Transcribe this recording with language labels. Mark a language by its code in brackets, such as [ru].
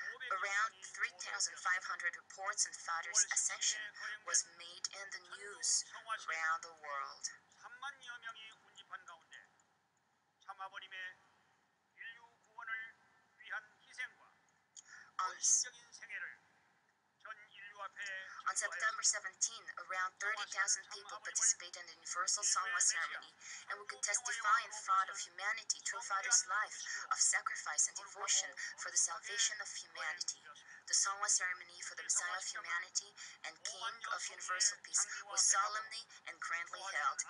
[en] Around 3,500 reports on father's ascension was made in the news around the world. [ko] 3만여 명이 운집한 가운데 참아버님의 인류 구원을 위한 희생과 헌신적인 생애를 [en] On September 17, around 30,000 people participated in the Universal Songhwa ceremony and we could testify in front of humanity to a father's life of sacrifice and devotion for the salvation of humanity. The Songhwa ceremony for the Messiah of humanity and King of Universal Peace was solemnly and grandly held.